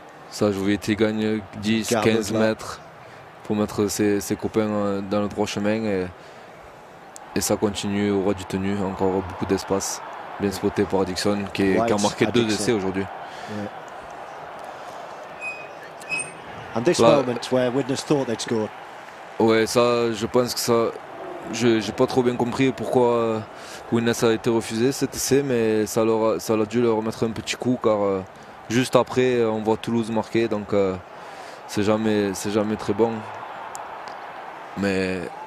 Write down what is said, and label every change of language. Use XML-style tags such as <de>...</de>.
<fr>Ça, je voulais qu'il gagne 10, 15 mètres pour mettre ses copains dans le droit chemin. Et ça continue au ras du tenu, encore beaucoup d'espace. Bien spoté par Dixon qui a marqué deux essais aujourd'hui.</fr> <en>And this moment where Widnes thought they'd scored.</en> <fr>Ouais, ça, je pense que ça. J'ai pas trop bien compris pourquoi Widnes a été refusé cet essai, mais ça a dû leur remettre un petit coup car juste après, on voit Toulouse marquer, donc c'est jamais très bon. Mais.</fr>